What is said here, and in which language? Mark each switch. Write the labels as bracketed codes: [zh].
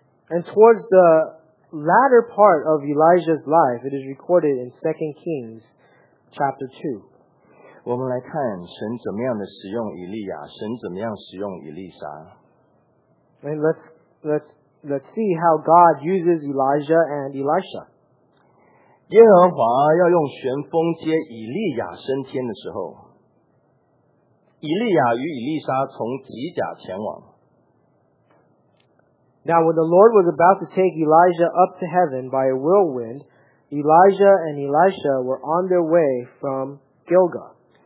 [en] And towards the latter part of Elijah's life, it is recorded in 2 Kings. Chapter 2. [zh] 我们来看神怎么样的使用以利亚，神怎么样使用以利莎。 [en] And let's see how God uses Elijah and Elisha. [zh] 耶和华要用旋风接以利亚升天的时候，以利亚与以利莎从基甲前往。 [en] Now when the Lord was about to take Elijah up to heaven by a whirlwind, Elijah and Elisha were on their way from Gilgal.